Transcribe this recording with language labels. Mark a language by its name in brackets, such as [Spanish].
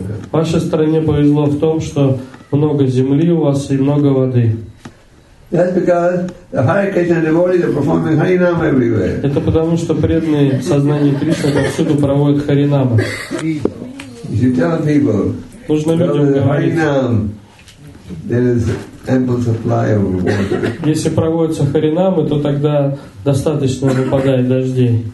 [Russian] Вашей стране повезло в том, что много земли у вас и много воды. [English] That's because the Hare Krishna devotees are performing Harinam everywhere. [Russian] Это потому что преданные в сознании Кришны повсюду проводят Харинамы. [English] You should tell people. [Russian] Нужно людям говорить. [English] Harinam, there is ample supply of water. [Russian] Если проводятся Харинамы, то тогда достаточно выпадает дождей.